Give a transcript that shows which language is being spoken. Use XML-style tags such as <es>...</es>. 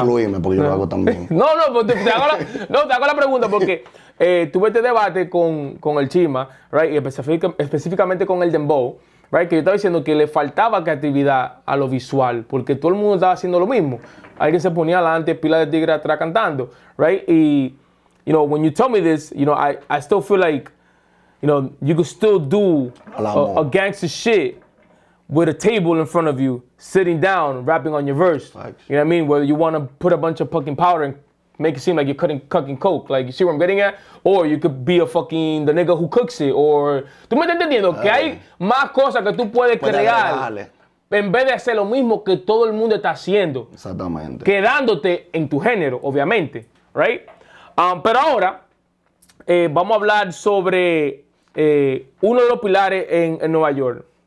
<es>Que incluirme porque yo no. Lo hago también. No, pues te hago la pregunta porque tuve este debate con el Chima, right, y específicamente con el Dembow, right, que yo estaba diciendo que le faltaba creatividad a lo visual porque todo el mundo estaba haciendo lo mismo. Alguien se ponía adelante, pila de tigre atrás cantando, right?</es> <en>Y, you know, when you tell me this, you know, I still feel like, you know, you could still do a gangster shit with a table in front of you, sitting down, rapping on your verse. Facts. You know what I mean? Where you want to put a bunch of fucking powder and make it seem like you're cutting fucking coke. Like, you see where I'm getting at? Or you could be a fucking the nigga who cooks it.</en> <es>Or, ¿tú me estás entendiendo? Que hay más cosas que tú puedes crear en vez de hacer lo mismo que todo el mundo está haciendo. Exactamente. Quedándote en tu género, obviamente. Right? Pero ahora, vamos a hablar sobre uno de los pilares en Nueva York.</es>